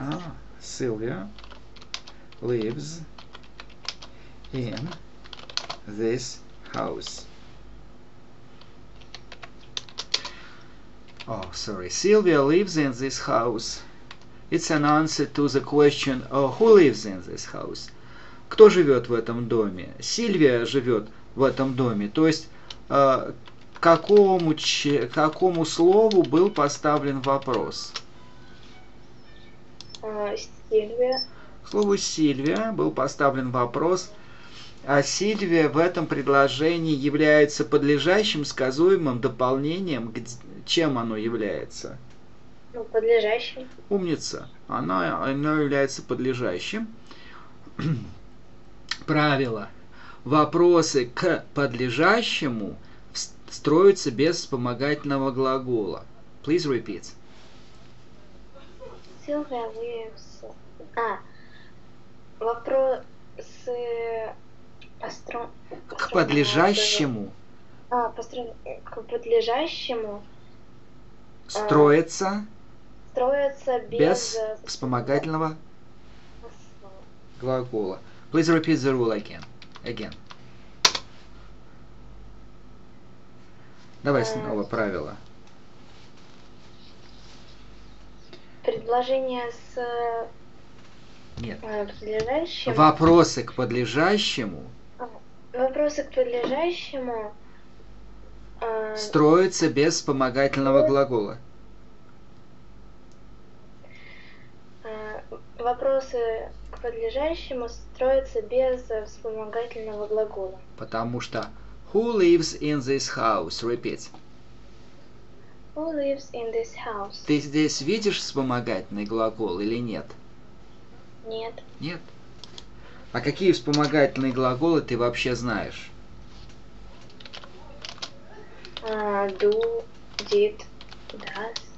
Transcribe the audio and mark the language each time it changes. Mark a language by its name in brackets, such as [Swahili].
[English] Ah, Sylvia lives in this house. Oh, sorry. Sylvia lives in this house. It's an answer to the question, who lives in this house? [Russian] Кто живет в этом доме? Сильвия живет в этом доме. То есть, какому слову был поставлен вопрос? Сильвия. Слову Сильвия был поставлен вопрос. А Сильвия в этом предложении является подлежащим, сказуемым дополнением. Чем оно является? Ну, подлежащим. Умница. Оно является подлежащим. Правило. Вопросы к подлежащему строятся без вспомогательного глагола. [English] Please repeat. Sylvia lives. [Russian] Вопросы к подлежащему. К подлежащему. Строится. Строится без вспомогательного глагола. [English] Please repeat the rule again. [Russian] Давай снова правило. Предложение с... Нет. Подлежащим. Вопросы к подлежащему. Вопросы к подлежащему. Строятся без вспомогательного глагола. Вопросы к подлежащему строятся без вспомогательного глагола. Потому что [English] who lives in this house? Repeat. Who lives in this house? [Russian] Ты здесь видишь вспомогательный глагол или нет? Нет. Нет? А какие вспомогательные глаголы ты вообще знаешь? [English] Do, did, does.